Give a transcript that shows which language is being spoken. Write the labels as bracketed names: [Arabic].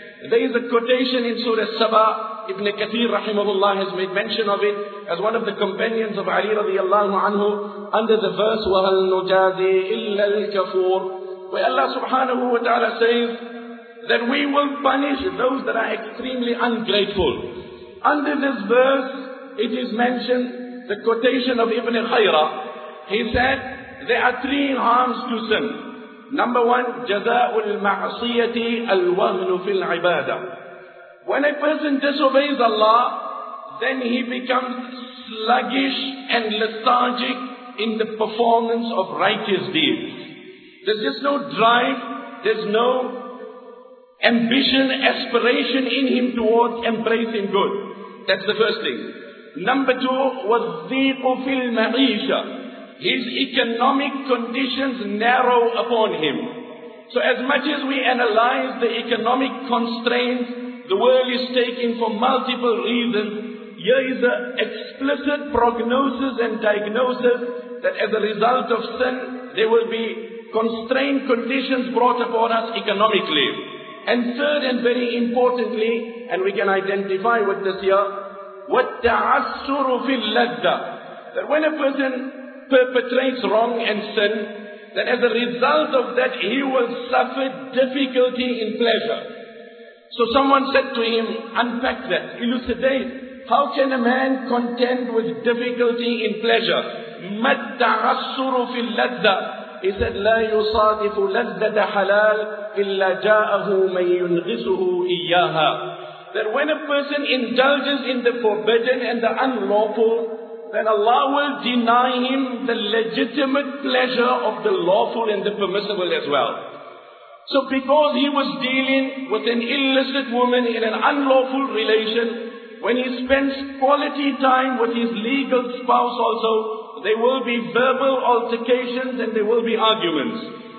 [English] There is a quotation in Surah Saba, Ibn Kathir rahimahullah has made mention of it as one of the companions of Ali radiallahu anhu under the verse [Arabic] وَهَلْ نُجَازِي إِلَّا الْكَفُورِ, [English] where Allah subhanahu wa ta'ala says that we will punish those that are extremely ungrateful. Under this verse it is mentioned the quotation of Ibn Khayra. He said there are three harms to sin. Number one, [Arabic] جَزَاءُ الْمَعْصِيَةِ الْوَهْنُ فِي الْعِبَادَةِ. [English] When a person disobeys Allah, then he becomes sluggish and lethargic in the performance of righteous deeds. There's just no drive, there's no ambition, aspiration in him towards embracing good. That's the first thing. Number two, [Arabic] وَالضِّيقُ فِي الْمَعِيشَةِ. [English] His economic conditions narrow upon him. So as much as we analyze the economic constraints, the world is taking for multiple reasons, here is an explicit prognosis and diagnosis that as a result of sin, there will be constrained conditions brought upon us economically. And third and very importantly, and we can identify with this here, [Arabic] وَالتَّعَسُّرُ فِي اللَّذَّةِ. [English] That when a person perpetrates wrong and sin, then as a result of that, he will suffer difficulty in pleasure. So someone said to him, unpack that, elucidate. How can a man contend with difficulty in pleasure? [Arabic] مَدْ تَعَسُّرُ فِي اللَّذَّةِ. [English] He said, [Arabic] لَا يُصَادِفُ لَذَّةَ حَلَالِ إِلَّا جَاءَهُ مَنْ يُنْغِسُهُ إِيَّاهَا. [English] That when a person indulges in the forbidden and the unlawful, then Allah will deny him the legitimate pleasure of the lawful and the permissible as well. So because he was dealing with an illicit woman in an unlawful relation, when he spends quality time with his legal spouse also, there will be verbal altercations and there will be arguments.